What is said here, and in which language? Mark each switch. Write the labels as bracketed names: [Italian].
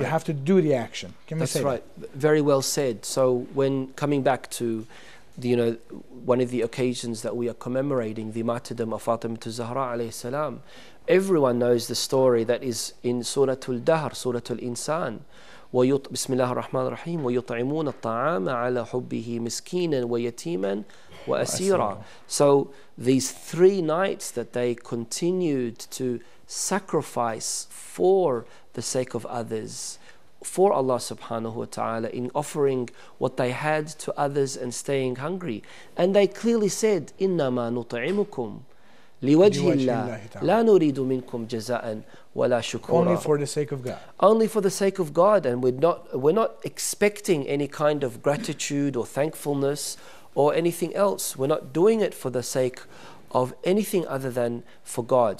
[English] You have to do the action. Can That's we say right. That? Very well said. So, when coming back to, one of the occasions that we are commemorating the martyrdom of Fatimah al-Zahra alayhi salam. Everyone knows the story that is in Surah Al-Dahr, Surah Al-Insan. [Arabic] بسم الله الرحمن الرحيم ويطعمون الطعام على حبه مسكينا ويتيما وأسيرا. [English] So these three nights that they continued to sacrifice for the sake of others, for Allah subhanahu wa ta'ala, in offering what they had to others and staying hungry. And they clearly said, [Arabic] إنما نطعمكم لوجه الله لا نريد منكم جزاء ولا شكورا. [English] Only for the sake of God. Only for the sake of God, and we're not expecting any kind of gratitude or thankfulness or anything else. We're not doing it for the sake of anything other than for God.